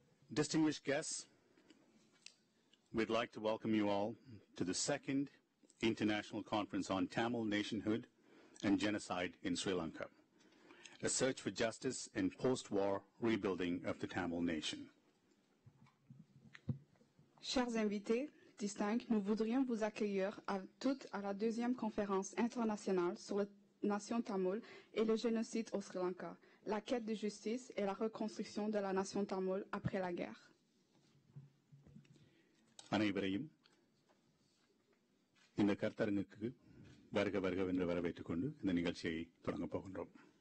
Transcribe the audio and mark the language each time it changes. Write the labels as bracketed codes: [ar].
[en] Distinguished guests, we'd like to welcome you all to the second International Conference on Tamil Nationhood and Genocide in Sri Lanka, a search for justice and post-war rebuilding of the Tamil nation. [fr] Chers invités, distingués, nous voudrions vous accueillir à toutes à la deuxième conférence internationale sur la nation tamoule et le génocide au Sri Lanka, la quête de justice et la reconstruction de la nation tamoule après la guerre. [ta] அனைவரையும் இந்த கருத்தரங்குக்கு வருக வருக என்று வரவேற்றுக் கொண்டு இந்த நிகழ்ச்சியை தொடங்கப் போகின்றோம்.